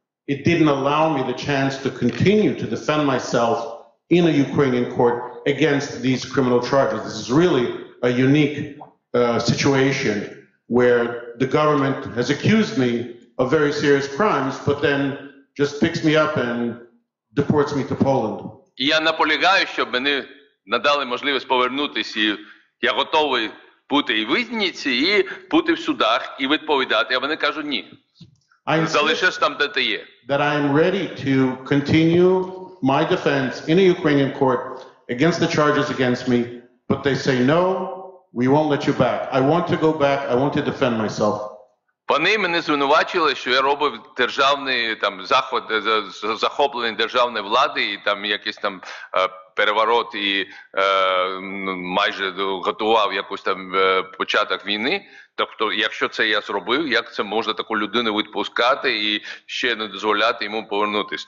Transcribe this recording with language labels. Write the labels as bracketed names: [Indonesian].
[English] It didn't allow me the chance to continue to defend myself in a Ukrainian court against these criminal charges. This is really a unique situation where the government has accused me of very serious crimes, but then just picks me up and deports me to Poland. [Ukrainian] Я наполягаю, щоб мені надали можливість повернутися, і я готовий бути і в в'язниці, і бути в судах, і відповідати, а вони кажуть ні. Залишись там, де ти є. [English] That I am ready to continue my defense in a Ukrainian court against the charges against me, but they say, no, we won't let you back. I want to go back. I want to defend myself. [Ukrainian] Вони мене звинувачили, що я робив державний там захват, захоплення державної влади і там якийсь там переворот і майже готував якусь там початок війни. Тобто, якщо це я зробив, як це можна таку людину відпускати і ще не дозволяти йому повернутися?